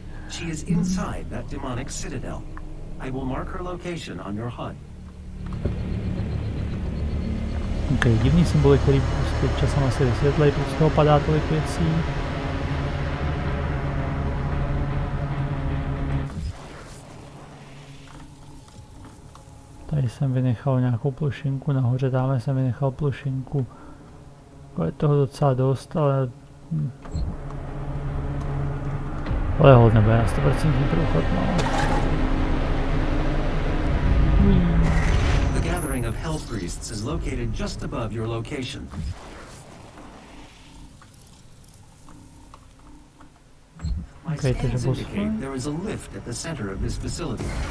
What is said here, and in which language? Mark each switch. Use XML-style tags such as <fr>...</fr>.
<en>She is inside that demonic citadel. I will mark her location on your HUD.</en> <cs>Ok, divný symbol, který prostě časem asi vysvětlej, proč z toho padá tolik věcí. Tady jsem vynechal nějakou plošinku nahoře, dáme jsem vynechal plošinku. Je toho docela dost, ale... Ale hold nebo já 100% průchod mám.</cs> <en>The gathering of hell priests is located just above your location. My scans indicate there is a lift at the center of this facility.</en>